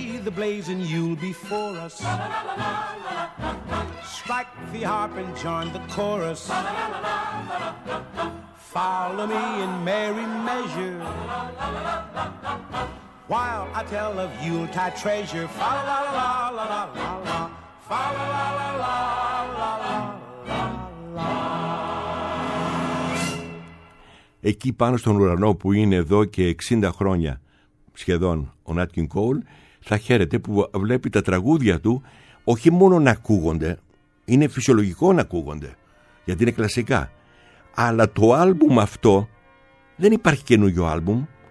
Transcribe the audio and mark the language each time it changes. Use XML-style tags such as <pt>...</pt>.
<en>The blazing Yule before us. Strike the harp and join the chorus. Follow me in merry measure while I tell of Yuletide treasure. Fa la la la la la la la la la la la la la la.</en> <el>Εκεί πάνω στον ουρανό που είναι εδώ και 60 χρόνια σχεδόν ο Nat King Cole, θα χαίρεται που βλέπει τα τραγούδια του όχι μόνο να ακούγονται, είναι φυσιολογικό να ακούγονται γιατί είναι κλασικά, αλλά το άλμπουμ αυτό δεν υπάρχει καινούργιο άλμπουμ.</el>